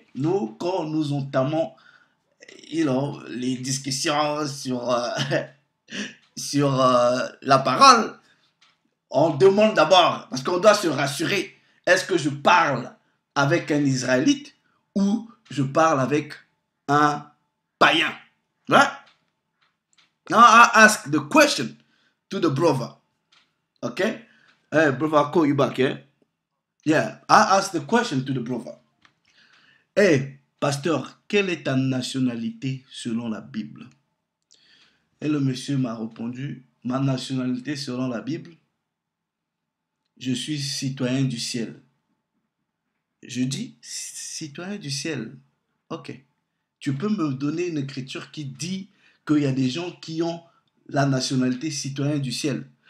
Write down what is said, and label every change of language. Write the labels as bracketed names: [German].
[French] Nous, quand nous entamons les discussions sur, sur la parole, on demande d'abord, parce qu'on doit se rassurer, est-ce que je parle avec un Israélite ou je parle avec un païen? Voilà. [English] Now I ask the question to the brother. OK? Brother, I'll call you back, yeah? Yeah, I ask the question to the brother. [French] Hey, pasteur, quelle est ta nationalité selon la Bible? Et le monsieur m'a répondu, ma nationalité selon la Bible, je suis citoyen du ciel. Je dis, citoyen du ciel. Ok. Tu peux me donner une écriture qui dit qu'il y a des gens qui ont la nationalité citoyen du ciel.